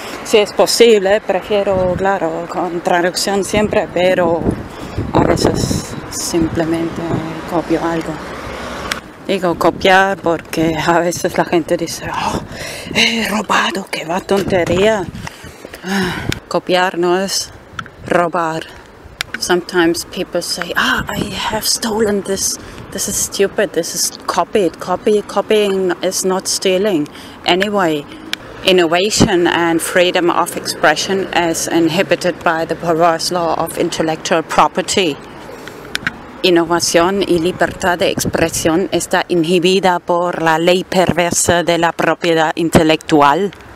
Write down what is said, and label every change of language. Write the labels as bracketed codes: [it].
[es] Si es posible, prefiero, claro, con traducción siempre, pero a veces simplemente copio algo. Digo copiar porque a veces la gente dice, oh, he robado, qué va tontería. Copiar no es robar. [en] Sometimes people say, ah, I have stolen this. This is stupid. This is copied. Copying is not stealing. Anyway, innovation and freedom of expression is inhibited by the perverse law of intellectual property. [es] Innovación y libertad de expresión está inhibida por la ley perversa de la propiedad intelectual.